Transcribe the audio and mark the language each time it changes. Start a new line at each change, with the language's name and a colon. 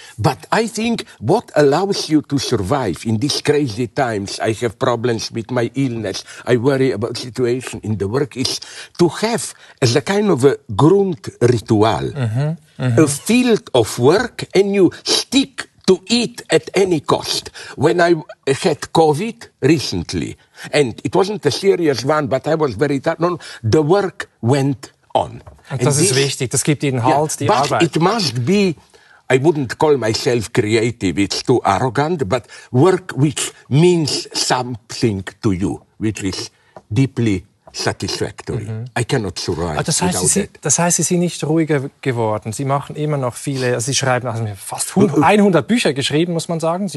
English: But I think what allows you to survive in these crazy times, I have problems with my illness, I worry about situation in the work, is to have as a kind of a Grund ritual, a field of work, and you stick to eat at any cost. When I had COVID recently, and it wasn't a serious one, but I was very tired, the work went on.
German: Und das ist wichtig, das gibt Ihnen Halt, die Arbeit.
English: But it must be, I wouldn't call myself creative, it's too arrogant, but work which means something to you, which is deeply satisfactory. Mm-hmm. I cannot survive without
German: that. Das heißt, Sie sind nicht ruhiger geworden. Sie machen immer noch viele, Sie schreiben fast 100 Bücher geschrieben, muss man sagen.